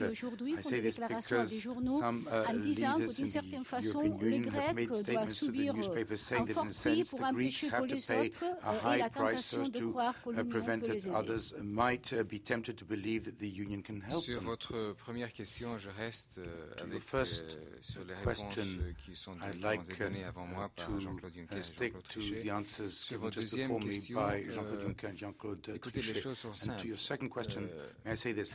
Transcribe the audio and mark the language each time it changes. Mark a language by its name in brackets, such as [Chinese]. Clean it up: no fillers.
[English] I say this because some leaders in the European Union have made statements to the newspapers saying that in a sense the Greeks have to pay a high price so to prevent that others might be tempted to believe that the union can help them. [French] Sur votre première question, je reste avec sur les réponses qui sont données avant moi par Jean-Claude Juncker et Jean-Claude Trichet. Sur votre deuxième question, [English] by Jean-Claude Juncker and Jean-Claude Trichet. And to your second question, may I say this?